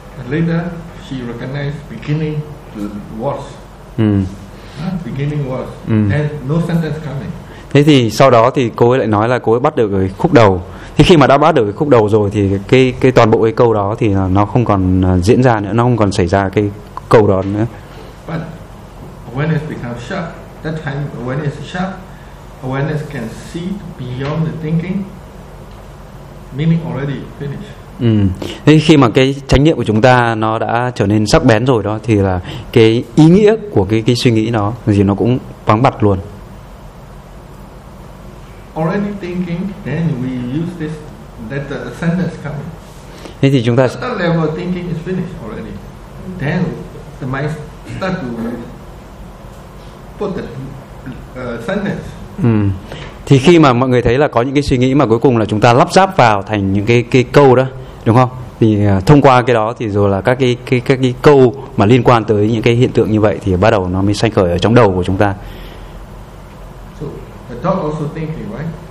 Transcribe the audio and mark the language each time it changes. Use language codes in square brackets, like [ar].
[en] Later, she recognized beginning was. Beginning was. And no sentence coming. [vi] Thế thì sau đó thì cô ấy lại nói là cô ấy bắt được cái khúc đầu. Thì khi mà đã bắt được cái khúc đầu rồi thì cái toàn bộ cái câu đó thì nó không còn diễn ra nữa, nó không còn xảy ra cái câu đó nữa. [en] But when it becomes sharp, that time when it's sharp, awareness can see beyond the thinking, meaning already finished. [vi] Thế khi mà cái chánh niệm của chúng ta nó đã trở nên sắc bén rồi đó thì là cái ý nghĩa của cái suy nghĩ nó thì nó cũng vắng bặt luôn. [en] Already thinking, then we use this that the sentence coming. [vi] Thế thì chúng ta [en] the level thinking is finished already. Then the mind start to put the sentence. [vi] Thì khi mà mọi người thấy là có những cái suy nghĩ mà cuối cùng là chúng ta lắp ráp vào thành những cái câu đó, đúng không? Thì thông qua cái đó thì rồi là các cái câu mà liên quan tới những cái hiện tượng như vậy thì bắt đầu nó mới sanh khởi ở trong đầu của chúng ta. [en] The thought also thinking, right?